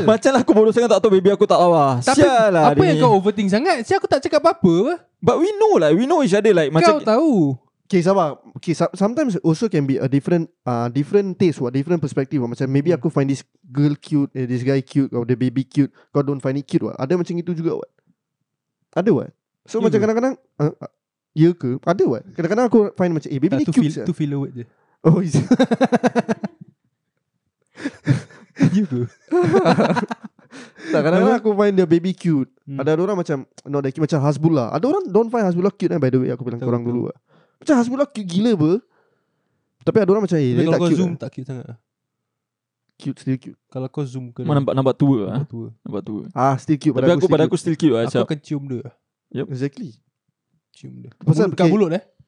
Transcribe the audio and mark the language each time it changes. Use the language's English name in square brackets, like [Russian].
[Malay] Macam aku bodoh sangat tak tahu baby aku tak lawa. Sial lah apa dia. Apa yang kau overthink sangat? Si aku tak cakap apa-apa. [English] But we know lah. Like, we know each other like [Malay] kau macam. Kau tahu. [English] Okay [Malay] sabar. [English] Okay sometimes also can be a different different taste or different perspective. [Malay] Macam [English] maybe [Malay] aku [English] find this girl cute, this guy cute, or the baby cute. [Malay] Kau [English] don't find it cute what? [Malay] Ada macam itu juga [English] what? [Malay] Ada [English] what? So yeah, [Malay] macam kadang-kadang ya ke? Ada what? Kadang-kadang aku find macam baby ni cute. [English] To feel a word je. Oh is you ke? [Malay] Tak, kadang-kadang aku find the baby cute. Ada orang macam [English] not that cute, [Malay] macam Hasbullah. Ada orang [English] don't find Hasbullah cute by the way. [Malay] Aku bilang korang dulu lah. Macam Hasbullah cute gila ber. Tapi ada orang macam dia kalau tak kau cute zoom lah. Tak cute sangat. [English] Cute still cute. [Malay] Kalau kau zoom ke mana nampak tua, tua. Nampak tua. [English] Ah still cute. [Malay] Tapi aku pada aku still cute lah. Aku akan cium dia. [English] Yep. Exactly. [Malay] Cium dia. Pasal kau mulut eh.